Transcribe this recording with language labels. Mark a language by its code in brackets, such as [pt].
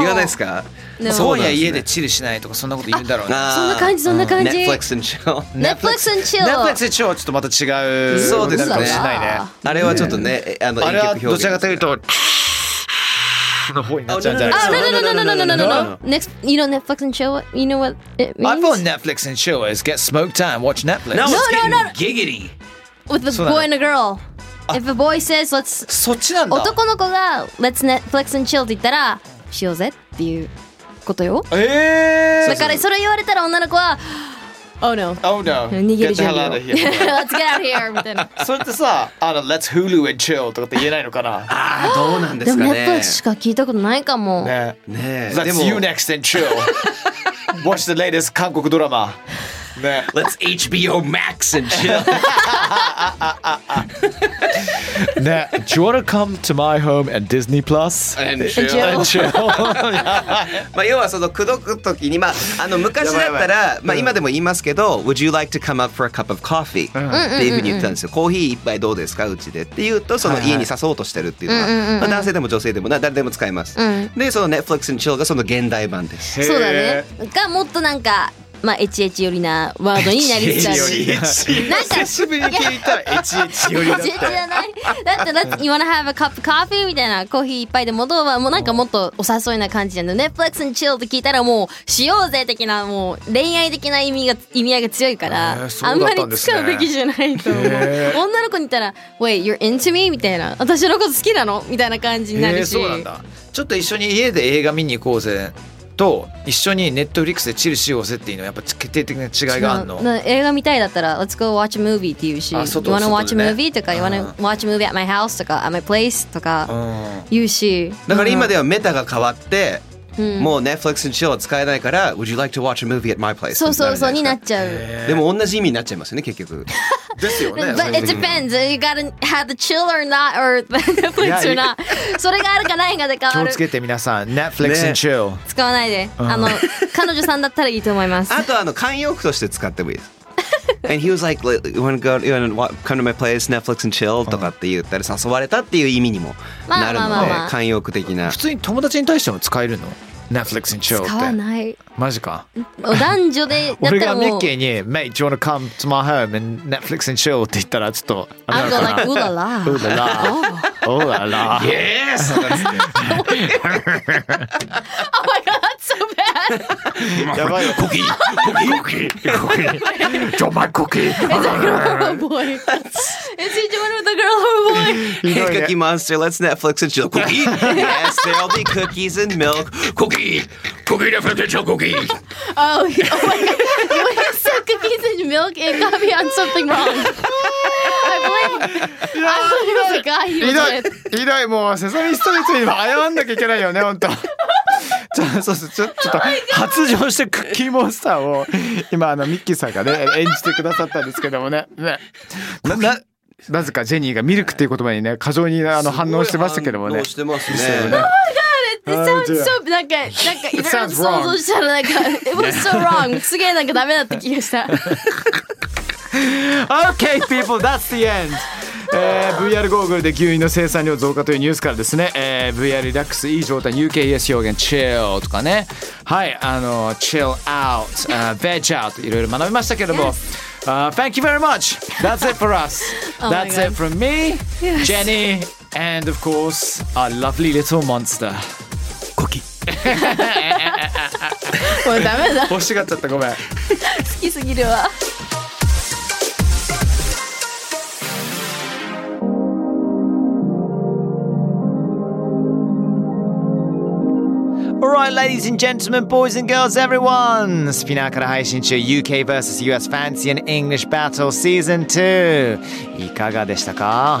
[ja] 言わないですか。今夜家でチルしないとかそんなこと言うんだろうね。そんな感じ、そんな感じ。 [en] Netflix and chill。 Netflix and chill。 [ja] Netflix and chill ちょっとまた違う。そうですね。しないね。あれはちょっとね、あの、あれはどちらかというと。の方になっちゃうんじゃないですか。 [en] No, no, no, no, no, no, no, no, no. Next, you know Netflix and chill? You know what it means? I thought Netflix and chill is get smoke time, watch Netflix. No, no, no, no. Giggity. With a boy and a girl. If a boy says, let's. [ja] そっちなんだ。男の子が、 [en] let's Netflix and chill [ja] って言ったら、しようぜっていう。ことよ。だからそれ言われたら女の子は [en] Oh no. Oh no. [ja] 逃げる準備を。 [en] Get the hell out of here. Let's get out of here. [ja] みたいな。それってさ、あの [en] Let's Hulu and chill [ja] とかって言えないのかな。ああ、どうなんですかね。でも Netflix しか聞いたことないかも。ね。ね。 [en] Let's you next and chill. Watch the latest [ja] 韓国ドラマ。ね。 [en] Let's HBO Max and chill. ね、Do you want to come to my home and Disney Plus? And chill. And chill. [ja] まあ要はその口説くときに、まあ、あの昔だったら、まあ、今でも言いますけど、 [en] Would you like to come up for a cup of coffee? [ja] っていうふうに言ったんですよ。コーヒー一杯どうですか、うちでって言うと、その家に誘おうとしてるっていうのは、まあ、男性でも女性でも誰でも使えます。で、その Netflix and chill がその現代版です。そうだね。がもっとなんか、まあ、エチエチよりなワードになりつつある。なんか久しぶりに聞いたエチエチよりだった。エチエチじゃない。だってだって [en] You wanna have a cup of coffee [ja] みたいな、コーヒーいっぱいでもどうは、もうなんかもっとお誘いな感じじゃん。 Netflix and chill って聞いたらもうしようぜ的な、もう恋愛的な意味合いが強いから、あんまり使うべきじゃないと思う。女の子に言ったら [en] Wait you're into me [ja] みたいな、私のこと好きなのみたいな感じになるし。そうなんだ。ちょっと一緒に家で映画見に行こうぜと一緒にネットフリックスでチルシーをせっていうのはやっぱ決定的な違いがあるの。映画見たいだったら [en] Let's go watch a movie [ja] っていうし、あ、外、 [en] You wanna watch a movie?、 [ja] ね、とか、うん、 [en] You wanna watch a movie at my house? とか At my place? [ja] とか言うし、だから今ではメタが変わって、うん、もう Netflix and chill は使えないから、うん、 [en] Would you like to watch a movie at my place? [ja] そうそうそうになっちゃう。でも同じ意味になっちゃいますよね結局。ですよね。 [en] But it depends. You gotta have the chill or not, or the Netflix or not. [ja] それがあるかないかで変わる。気をつけて皆さん、 Netflix and chill、ね、使わないで、あの彼女さんだったらいいと思います。あとあの慣用句として使ってもいいです。 [en] And he was like, you wanna go, you wanna come to my place, Netflix and chill? [ja] とかって言ったり、誘われたっていう意味にもなるので、慣用句的な。普通に友達に対しても使えるの？ Netflix and chill って使わない。マジか。男女でだったらもう俺がミッキーに [en] Mate, do you wanna come to my home and Netflix and chill? [ja] って言ったらちょっと [en] I'm gonna like ooh la la ooh la la ooh la la yes! Oh my god, that's so bad! [ja] やばいよ、コキーコキーコキー [en] Do my cookie! Is it a girl or a boy? Is he doing with a girl or a boy? Hey, Cookie Monster, let's Netflix and chill. Cookie! Yes, there'll be cookies and milk. Cookie! Netflix and chill, cookie! Oh, oh my god. When you said cookies and milk, it got me on something wrong. I blame the guy he was with. [ja] ひどい、もうセサミストリートにも謝んなきゃいけないよね、ほんと。そうそう、ちょっと発情してクッキーモンスターを今あのミッキーさんがね演じてくださったんですけどもね、ね、なぜかジェニーがミルクっていう言葉にね過剰にあの反応してましたけどもね。反応してますね。 [en] Oh my god, it sounds so [ja] なんか [en] it sounds wrong. [ja] 想像したらなんか [en] it was so wrong. [ja] すげえなんかダメだった気がした。 [en] Okay, people, that's the end. [ja] VR ゴーグルで牛乳の生産量増加というニュースからですね、VR リラックスいい状態、 UKES 表現 chill とかね、はい、あの chill out、veg out、 いろいろ学びましたけれども、 [en] yes. Thank you very much. That's it for us. 、 oh、 That's it from me、 yes. Jenny and of course our lovely little monster Cookie. [ja] もうダメだ、欲しがっちゃった、ごめん。好きすぎるわ。 Alright, ladies and gentlemen, boys and girls, everyone! スピナーから配信中 UK vs. [en] US Fancy and English Battle Season 2! [ja] いかがでしたか?